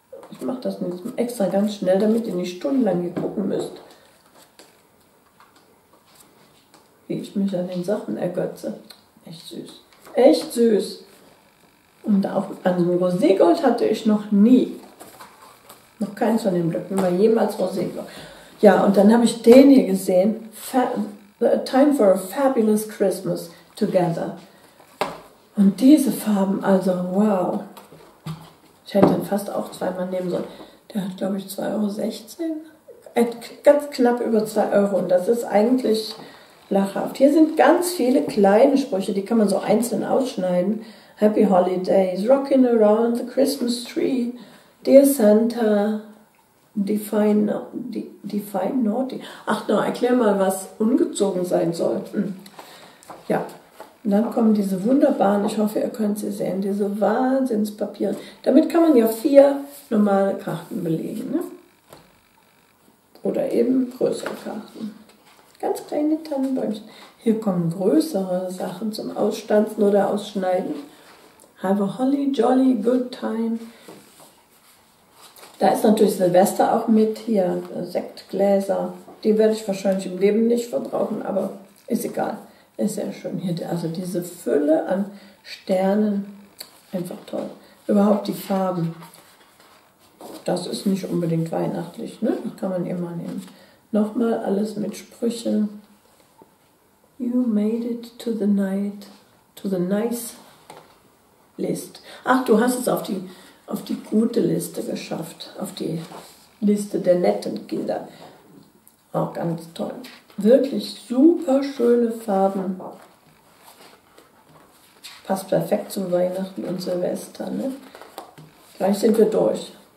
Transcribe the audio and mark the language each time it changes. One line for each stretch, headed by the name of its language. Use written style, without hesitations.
German: Ich mache das jetzt extra ganz schnell, damit ihr nicht stundenlang hier gucken müsst, wie ich mich an den Sachen ergötze. Echt süß. Echt süß. Und auch an so Roségold hatte ich noch nie. Noch keins von den Blöcken war jemals Roségold. Ja, und dann habe ich den hier gesehen.
English: Time for a fabulous Christmas together.
German: Und diese Farben, also wow. Ich hätte den fast auch zweimal nehmen sollen. Der hat, glaube ich, 2,16 Euro. Ganz knapp über 2 Euro. Und das ist eigentlich lachhaft. Hier sind ganz viele kleine Sprüche. Die kann man so einzeln ausschneiden.
English: Happy Holidays, Rocking Around the Christmas Tree, Dear Santa, Define Naughty.
German: Ach, noch, erklär mal, was ungezogen sein soll. Ja, und dann kommen diese wunderbaren, ich hoffe, ihr könnt sie sehen, diese Wahnsinnspapiere. Damit kann man ja 4 normale Karten belegen, ne? Oder eben größere Karten. Ganz kleine Tannenbäumchen. Hier kommen größere Sachen zum Ausstanzen oder Ausschneiden.
English: Have a holly jolly good time.
German: Da ist natürlich Silvester auch mit hier, Sektgläser. Die werde ich wahrscheinlich im Leben nicht verbrauchen, aber ist egal. Ist sehr schön hier. Also diese Fülle an Sternen, einfach toll. Überhaupt die Farben. Das ist nicht unbedingt weihnachtlich, ne? Das kann man immer nehmen. Nochmal alles mit Sprüchen.
English: You made it to the night, to the nice list.
German: Ach, du hast es auf die gute Liste geschafft, auf die Liste der netten Kinder. Auch ganz toll. Wirklich super schöne Farben. Passt perfekt zum Weihnachten und Silvester. Ne? Gleich sind wir durch.